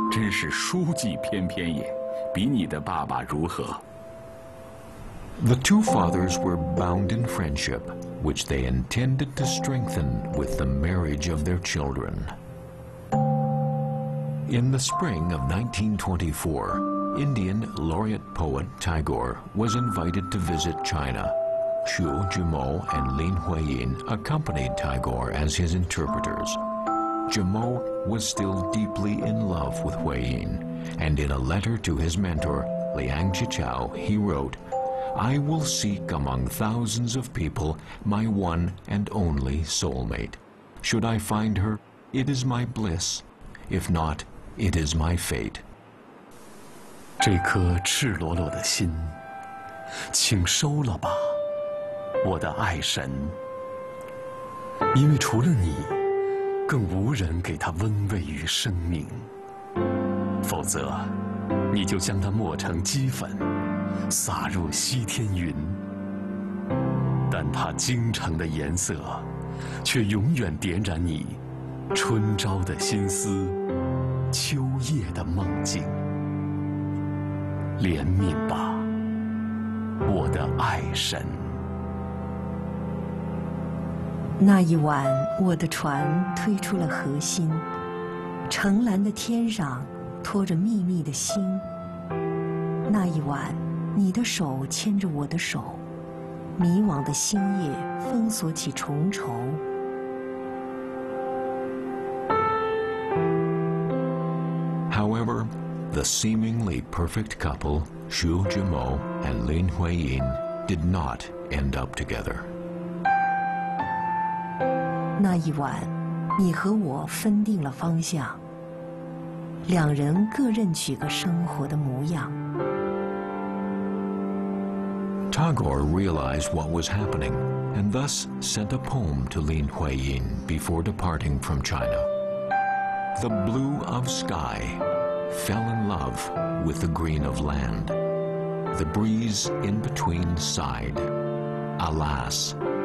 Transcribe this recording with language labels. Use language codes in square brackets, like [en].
[zh] 思成祖下，你到家乡都好，回病情已略轻解，会命令我详细写信给你。这爸爸真是书记翩翩也。 [en] The two fathers were bound in friendship, which they intended to strengthen with the marriage of their children. In the spring of 1924, Indian laureate poet Tagore was invited to visit China. Xu Jimo and Lin Huiyin accompanied Tagore as his interpreters. Jimo was still deeply in love with Huiyin. And in a letter to his mentor, Liang Sicheng, he wrote, I will seek among thousands of people my one and only soulmate. Should I find her, it is my bliss. If not, it is my fate. [zh] 这颗赤裸裸的心，请收了吧，我的爱神。因为除了你，更无人给他温慰与生命。否则，你就将它磨成齑粉，撒入西天云。但它精诚的颜色，却永远点燃你春朝的心思，秋夜的梦境。怜悯吧，我的爱神。那一晚，我的船推出了河心，澄蓝的天上托着密密的星。那一晚，你的手牵着我的手，迷惘的星夜封锁起重重。 [en] However,The seemingly perfect couple, Xu Jimo and Lin Huiyin, did not end up together. [zh] 那一晚，你和我分定了方向，两人各任取个生活的模样。 [en] Tagore realized what was happening, and thus sent a poem to Lin Huiyin before departing from China. The blue of sky. Fell in love with the green of land. The breeze in between sighed, alas.